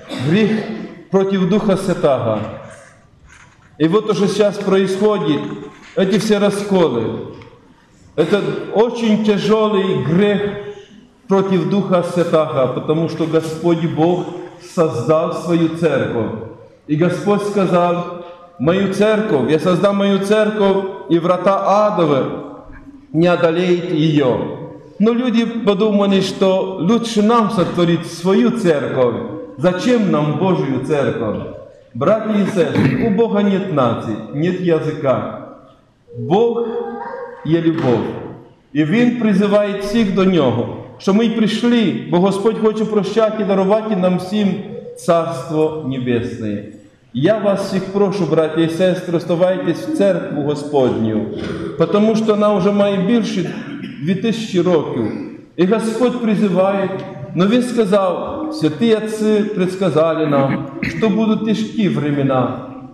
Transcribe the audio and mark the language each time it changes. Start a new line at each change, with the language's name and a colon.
Ukrainian: Гріх проти Духа Святого. І от то, що зараз відбувається, ці всі розколи, це дуже тяжкий гріх проти Духа Святого, тому що Господь Бог створив свою церкву. І Господь сказав, мою церкву, я створю мою церкву і врата адові
Russian: не одолеет ее. Но люди подумали, что лучше нам сотворить свою церковь. Зачем нам Божью церковь? Братья и сестры, у Бога нет нации, нет языка. Бог есть любовь. И Он призывает всех до Него, что мы пришли, бо Господь хочет прощать и даровать нам всем Царство Небесное.
Ukrainian: Я вас всіх прошу, браті і сестри, ставайтесь в церкву Господню, тому що вона вже має більше 2000 років. І Господь призиває, але Він сказав, святі отці предсказали нам, що будуть тяжкі времена.